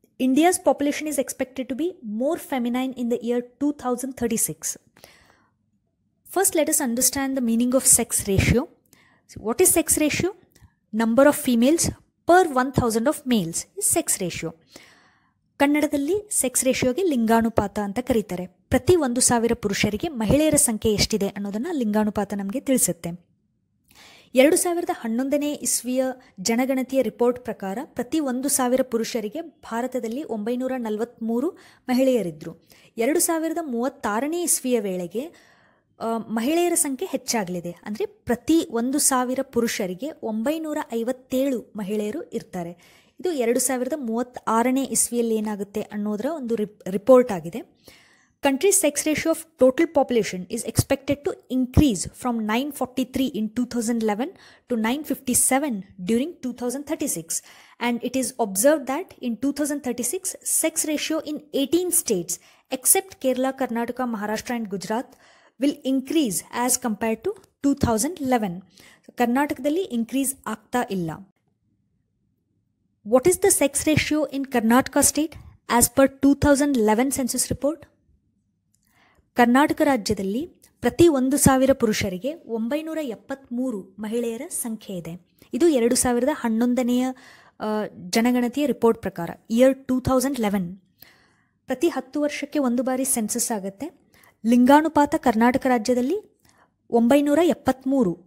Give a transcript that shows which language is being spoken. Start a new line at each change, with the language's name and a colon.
English: India's population is expected to be more feminine in the year 2036. First, let us understand the meaning of sex ratio. See, what is sex ratio? Number of females per 1000 of males is sex ratio.
Kannada: ಕನ್ನಡದಲ್ಲಿ sex ರೇಷಿಯೋಗೆ ಲಿಂಗಾನುಪಾತ ಅಂತ ಕರೀತಾರೆ. ಪ್ರತಿ 1,000 ಪುರುಷರಿಗೆ ಮಹಿಳೆಯರ ಸಂಖ್ಯೆ ಎಷ್ಟಿದೆ ಅನ್ನೋದನ್ನು ಲಿಂಗಾನುಪಾತ ನಮಗೆ ತಿಳಿಸುತ್ತೆ. 2011 ಇಸ್ವಿಯ ಜನಗಣತಿಯ ರಿಪೋರ್ಟ್ ಪ್ರಕಾರ ಪ್ರತಿ 1,000 ಪುರುಷರಿಗೆ ಭಾರತದಲ್ಲಿ 943 ಮಹಿಳೆಯರಿದ್ದರು. 2036 ಇಸ್ವಿಯ ವೇಳೆಗೆ ಮಹಿಳೆಯರ ಸಂಖ್ಯೆ ಹೆಚ್ಚಾಗಲಿದೆ. ಅಂದರೆ ಪ್ರತಿ 1,000 ಪುರುಷರಿಗೆ 957 ಮಹಿಳೆಯರು ಇರ್ತಾರೆ. ಇದು 2036 ಇಸ್ವಿಯಲ್ಲಿ ಏನಾಗುತ್ತೆ ಅನ್ನೋದರ ಒಂದು ರಿಪೋರ್ಟ್ ಆಗಿದೆ.
English: Country's sex ratio of total population is expected to increase from 943 in 2011 to 957 during 2036. And it is observed that in 2036, sex ratio in 18 states except Kerala, Karnataka, Maharashtra and Gujarat will increase as compared to 2011. So,
Kannada: Karnataka dalli increase aagta illa.
English: What is the sex ratio in Karnataka state as per 2011 census report?
Kannada: Karnataka rajyadalli ಪ್ರತಿ 1,000 ಪುರುಷರಿಗೆ 973 ಮಹಿಳೆಯರ ಸಂಖ್ಯೆ ಇದೆ. ಇದು 2011 ಜನಗಣತಿಯ report ಪ್ರಕಾರ, year 2011. ಪ್ರತಿ 10 ವರ್ಷಕ್ಕೆ ಒಂದು ಬಾರಿ ಸೆನ್ಸಸ್ ಆಗುತ್ತೆ. ಲಿಂಗಾನುಪಾತ ಕರ್ನಾಟಕ ರಾಜ್ಯದಲ್ಲಿ 973.